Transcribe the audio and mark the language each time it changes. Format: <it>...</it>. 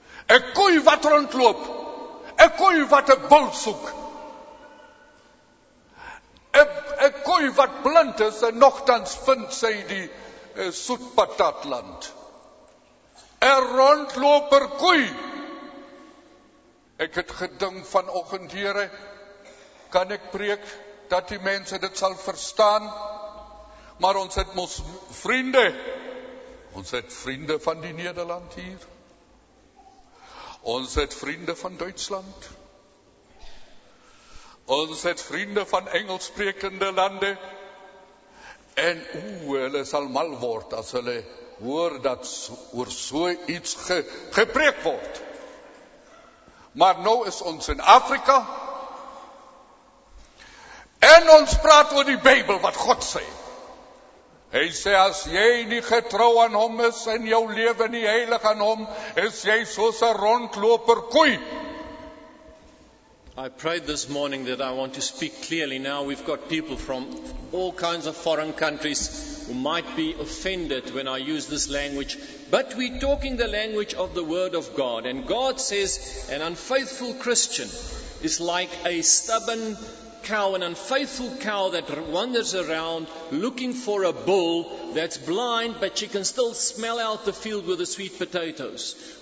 <af>'N koei wat rondloop, 'n koei wat 'n bul soek, 'n koei wat blind is en nogtans vind sy die soet patatland. 'N rondloper koei. Ek het gedink vanoggend, Here, kan ek preek dat die mense dit sal verstaan? Maar ons het mos vriende. Ons het vriende van die Nederland hier. Ons het vriende van Duitsland. Ons het vriende van Engelssprekende lande. En hulle sal mal word as hulle hoor dat oor so iets gepreek word. Maar nou is ons in Afrika en ons praat oor die Bybel wat God sê. Hy sê, as jy nie getrou aan hom is en jou lewe nie heilig aan hom, is jy soos 'n rondloper koei.</af> <en>I prayed this morning that I want to speak clearly. Now we've got people from all kinds of foreign countries who might be offended when I use this language. But we're talking the language of the Word of God. And God says an unfaithful Christian is like a stubborn cow, an unfaithful cow that wanders around looking for a bull that's blind, but she can still smell out the field with the sweet potatoes.</en>